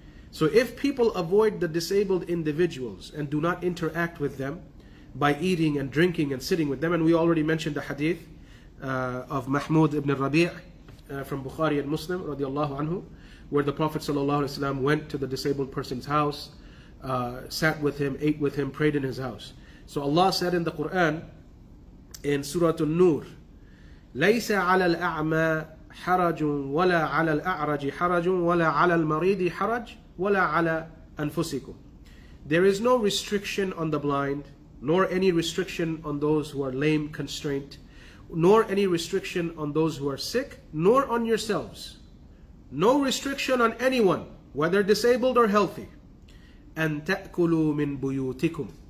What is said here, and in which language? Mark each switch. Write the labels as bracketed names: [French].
[English] So if people avoid the disabled individuals and do not interact with them by eating and drinking and sitting with them, and we already mentioned the hadith of Mahmud ibn Rabi' from Bukhari and Muslim radiallahu anhu, where the Prophet ﷺ went to the disabled person's house, sat with him, ate with him, prayed in his house. So Allah said in the Quran, in Surah An-Nur, [Arabic] لَيْسَ عَلَى الْأَعْمَى حَرَجٌ وَلَا عَلَى الْأَعْرَجِ حَرَجٌ وَلَا عَلَى الْمَرِيدِ حَرَجٌ وَلَا عَلَى أَنفُسِكُمْ. [English] There is no restriction on the blind, nor any restriction on those who are lame constraint, nor any restriction on those who are sick, nor on yourselves. No restriction on anyone, whether disabled or healthy. [Arabic] أَن تَأْكُلُوا مِن بُيُوتِكُمْ.